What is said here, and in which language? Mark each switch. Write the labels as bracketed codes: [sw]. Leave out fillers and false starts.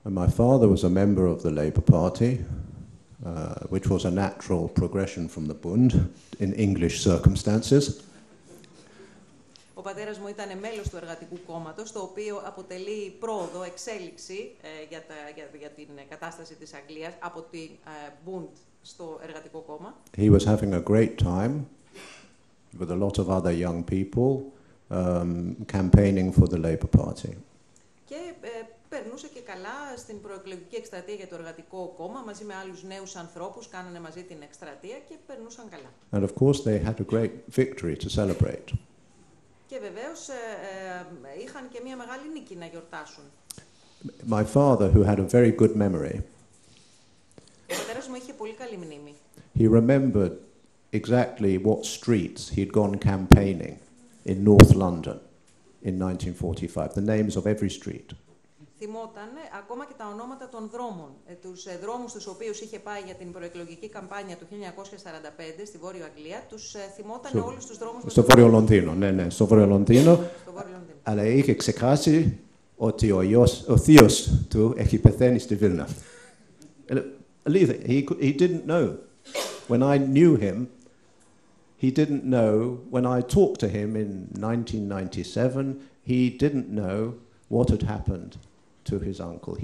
[en] And my father was a member of the Labour Party, which was a natural progression from the Bund in English circumstances. [el] Ο πατέρας μου ήταν μέλος του Εργατικού Κόμματος, το οποίο αποτελεί πρόοδο, εξέλιξη για την κατάσταση της Αγγλίας από την Bund στο Εργατικό Κόμμα. [en] He was having a great time with a lot of other young people campaigning for the Labour Party. [el] Και περνούσε και καλά στην προεκλογική εκστρατεία για το Εργατικό Κόμμα μαζί με άλλους νέους ανθρώπους, κάνανε μαζί την εκστρατεία και περνούσαν καλά. [en] And of course they had a great victory to celebrate. [el] Και βεβαίως είχαν και μια μεγάλη νίκη να γιορτάσουν. [en] My father, who had a very good memory, [el] ο πατέρας μου είχε πολύ καλή μνήμη. [en] He remembered exactly what streets he'd gone campaigning in North London in 1945. The names of every street. [el] Θυμόταν ακόμα και τα ονόματα των δρόμων, τους δρόμους τους οποίους είχε πάει για την προεκλογική καμπάνια του 1945 στη Βόρειο Αγγλία, τους θυμόταν όλους τους δρόμους... Στο Βόρειο Λονδίνο, ναι, στο Βόρειο Λονδίνο. Αλλά είχε ξεχάσει ότι ο θείος του έχει πεθαίνει στη Βίλνα. Αλήθεια, [en] he didn't know. When I knew him, he didn't know. When I talked to him in 1997, he didn't know what had happened to his uncle.